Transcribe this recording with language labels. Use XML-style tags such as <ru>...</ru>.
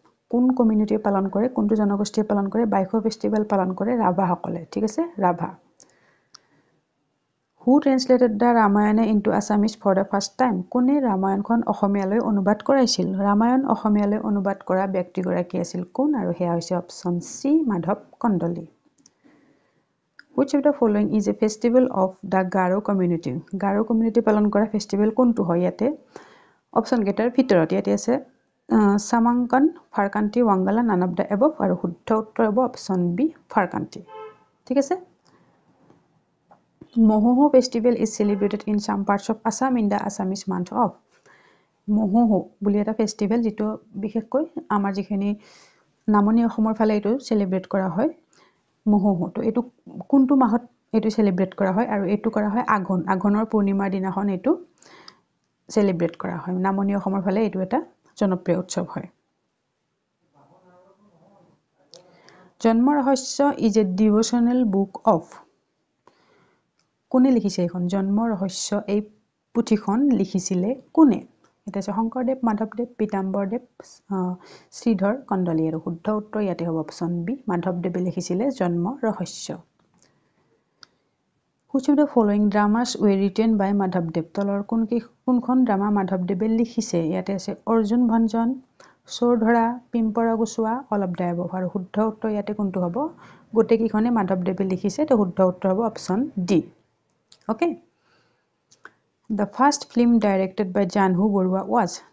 <as>কোন কমিউনিটিয়ে পালন কৰে, কোনটো জনগোষ্ঠীয়ে পালন কৰে বাইখো ফেষ্টিভেল পালন কৰে? ৰাভাসকলে, ঠিক আছে, ৰাভা।</as> <en>Who translated the Ramayana into Assamese for the first time?</en> <as>কোনে ৰামায়ণখন অসমীয়ালৈ অনুবাদ কৰাইছিল? ৰামায়ণ অসমীয়ালৈ অনুবাদ কৰা ব্যক্তিগৰাকী আছিল কোন? আৰু সেয়া হৈছে option C, Madhav Kandali.</as> <en>Which of the following is a festival of the Garo community?</en> <as>Garo community পালন কৰা ফেষ্টিভেল কোনটো হয়? ইয়াতে অপশ্যনকেইটাৰ ভিতৰত ইয়াতে আছে চামাংকন, Farkanti, Wangala, none of the above, আৰু শুদ্ধ উত্তৰ হ'ব অপশ্যন বি, ফাৰকান্তি, ঠিক আছে?</as> <en>Mahoho festival is celebrated in some parts of Assam in the Assamese month of?</en> <as>মহোহো বুলি এটা ফেষ্টিভেল যিটো বিশেষকৈ আমাৰ যিখিনি নামনি অসমৰ ফালে এইটো চেলিব্ৰেট কৰা হয় মহোহো। তো এইটো কোনটো মাহত এইটো চেলিব্ৰেট কৰা হয়? আৰু এইটো কৰা হয় আঘোণ, আঘোণৰ পূৰ্ণিমাৰ দিনাখন এইটো চেলিব্ৰেট কৰা হয়। নামনি অসমৰ ফালে এইটো এটা জনপ্ৰিয় উৎসৱ হয়।</as> <en>Janma Rahasya is a devotional book of?</en> <as>কোনে লিখিছে এইখন? জন্ম ৰহস্য এই পুথিখন লিখিছিলে কোনে? এতিয়া আছে শংকৰদেৱ, মাধৱদেৱ, পীতাম্বৰদেৱ, শ্ৰীধৰ কণ্ডলী, আৰু শুদ্ধ উত্তৰ ইয়াতে হ'ব অপশ্যন বি, মাধৱদেৱে লিখিছিলে জন্ম ৰহস্য।</as> <en>Which of the following dramas were written by Madhav Dev?</en> <as>তলৰ কোন কি কোনখন ড্ৰামা মাধৱ দেৱে লিখিছে? ইয়াতে আছে অৰ্জুন ভঞ্জন, চোৰ ধৰা, পিম্পৰা গুচোৱা, অলপ ড্ৰাইভ। আৰু শুদ্ধ উত্তৰ ইয়াতে কোনটো হ'ব? গোটেইকেইখনে মাধৱ দেৱে লিখিছে, তো শুদ্ধ উত্তৰ হ'ব option D.</as> <en>Okay, the first film directed by Jahnu Barua was.</en>